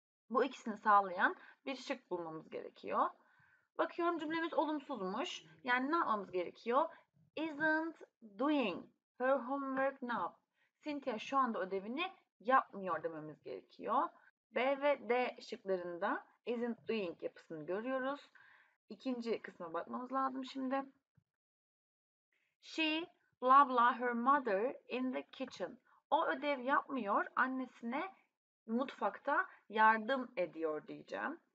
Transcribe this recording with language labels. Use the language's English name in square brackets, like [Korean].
[Turkish] Bu ikisini sağlayan bir şık bulmamız gerekiyor. Bakıyorum cümlemiz olumsuzmuş. Yani ne yapmamız gerekiyor? [English] Isn't doing her homework now. [Turkish] Cynthia şu anda ödevini yapmıyor dememiz gerekiyor. B ve D şıklarında [English] isn't doing [Turkish] yapısını görüyoruz. İkinci kısma bakmamız lazım şimdi. [English] She, blah blah, her mother in the kitchen. [Turkish] O ödev yapmıyor, annesine mutfakta yardım ediyor diyeceğim.